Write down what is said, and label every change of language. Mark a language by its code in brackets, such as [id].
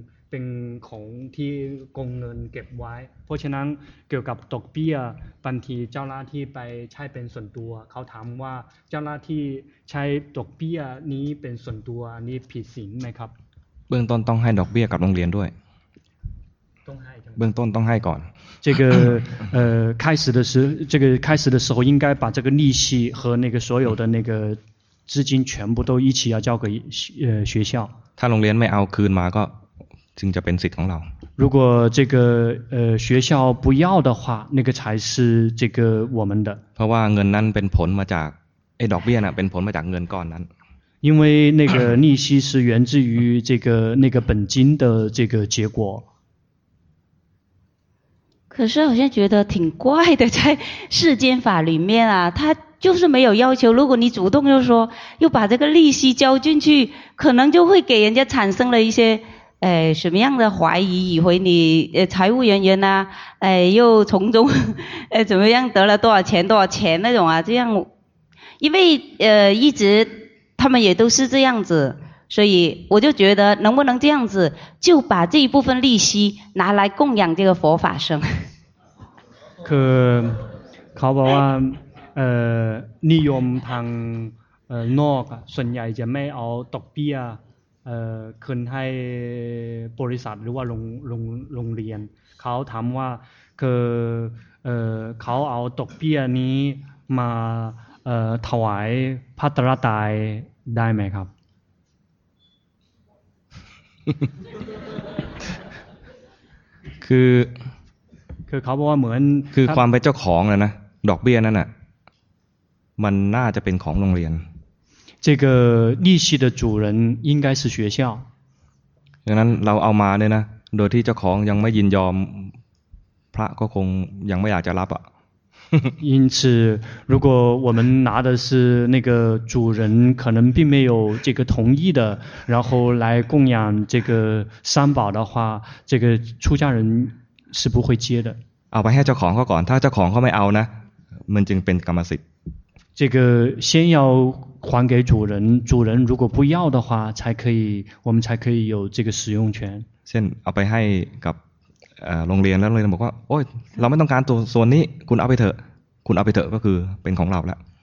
[th] เป็นของที่กองเงินเก็บไว้เพราะฉะนั้นเกี่ยวกับดอกเบี้ยบางทีเจ้าหน้าที่ไปใช้เป็นส่วนตัวเขาถามว่าเจ้าหน้าที่ใช้ดอกเบี้ยนี้เป็นส่วนตัวนี้ผิดศีลไหมครับ เบื้องต้นต้องให้ดอกเบี้ยกับโรงเรียนด้วย ต้องให้ เบื้องต้นต้องให้ก่อน [zh] 这个开始的时这个开始的时候应该把这个利息和那个所有的那个资金全部都一起要交给学校 [th] ถ้าโรงเรียนไม่เอาคืนมาก็จึงจะเป็นสิทธิ์ของเรา [zh] 如果这个学校不要的话那个才是这个我们的 [th] เพราะว่าเงินนั้นเป็นผลมาจากดอกเบี้ยน่ะเป็นผลมาจากเงินก้อนนั้น [zh] 因为那个利息是源自于这个那个本金的这个结果可是好像觉得挺怪的在世间法里面啊他就是没有要求如果你主动又说又把这个利息交进去可能就会给人家产生了一些什么样的怀疑以为你财务人员呢、啊、又从中怎么样得了多少钱多少钱那种啊这样因为一直他们也都是这样子所以我就觉得能不能这样子就把这一部分利息拿来供养这个佛法僧可考宝啊利用他们 [th] NOG ส่วนใหญ่จะไม่เอาดอกเบี้ยคืนให้บริษัทหรือว่าโรงเรียนเขาถามว่าคือเขาเอาดอกเบี้ยนี้มาถวายพระตรัสตรัยได้ไหมครับ คือ เขาบอกว่าเหมือน คือความเป็นเจ้าของนะดอกเบี้ยนั่นน่ะมันน่าจะเป็นของโรงเรียน [zh] 这个利息的主人应该是学校 [th] ดังนั้นเราเอามาเนี่ยนะโดยที่เจ้าของยังไม่ยินยอมพระก็คงยังไม่อยากจะรับอ่ะ [zh] 因此如果我们拿的是那个主人可能并没有这个同意的然后来供养这个三宝的话这个出家人是不会接的 [th] เอาไปให้เจ้าของเขาก่อนถ้าเจ้าของเขาไม่เอานะมันจึงเป็นกรรมสิทธิ์ [zh] 这个先要还给主人主人如果不要的话才可以我们才可以有这个使用权 [th] เช่นเอาไปให้กับโรงเรียนแล้วโรงเรียนบอกว่าโอ้ยเราไม่ต้องการตัวส่วนนี้คุณเอาไปเถอะคุณเอาไปเถอะก็คือเป็นของเราแล้ว